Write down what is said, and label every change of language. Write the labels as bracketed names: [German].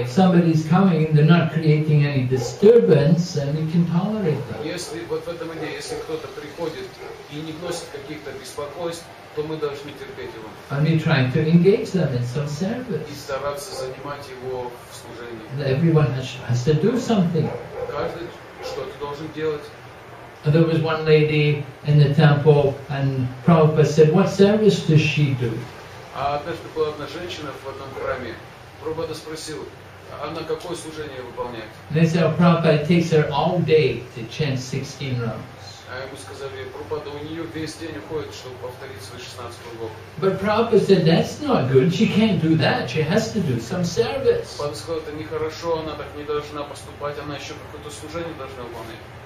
[English] If somebody's coming and they're not creating any disturbance, then we can tolerate them. [Russian] Если вот в этом идее, если кто-то приходит и не вносит каких-то беспокойств, то мы должны терпеть его. [English] And we try to engage them in some service. [Russian] И стараться занимать его в служении. [English] And everyone has to do something. [Russian] Каждый что-то должен делать. [English] There was one lady in the temple, and Prabhupada said, "What service does she do?" [Russian] А однажды была одна женщина в одном храме. Прабхупада спросил, она какое служение выполняет? [English] They said, Prabhupada, it takes her all day to chant 16 rounds. [Russian] А ему сказали, Прабхупада, у нее весь день уходит, чтобы повторить свои 16 кругов. [English] But Prabhupada said, that's not good, she can't do that, she has to do some service. [Russian] Прабхупада сказал, это нехорошо, она так не должна поступать, она еще какое-то служение должна выполнять.